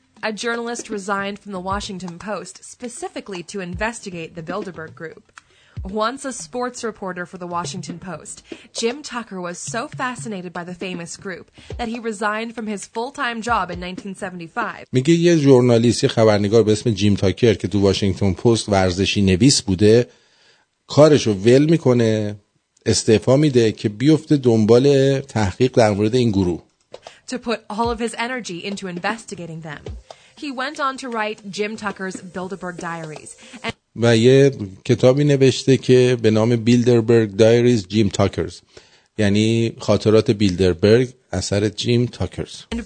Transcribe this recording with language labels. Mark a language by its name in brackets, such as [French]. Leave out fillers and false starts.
[English] A journalist resigned from the Washington Post specifically to investigate the Bilderberg group. Once a sports reporter for the Washington Post, Jim Tucker was so fascinated by the famous group that he resigned from his full-time job in 1975. [Persian] میگه یه ژورنالیست، یه خبرنگار به اسم جیم تاکر که تو واشنگتن پست ورزشی نویس بوده، کارش رو ول میکنه، استعفا میده که بیفته دنبال تحقیق در مورد این گروه. [English] To put all of his energy into investigating them. He went on to write Jim Tucker's Bilderberg Diaries. And [Persian] و یه کتابی نوشته که به نام بیلدربرگ دایریز جیم تاکرز، یعنی خاطرات بیلدربرگ اثر جیم تاکرز.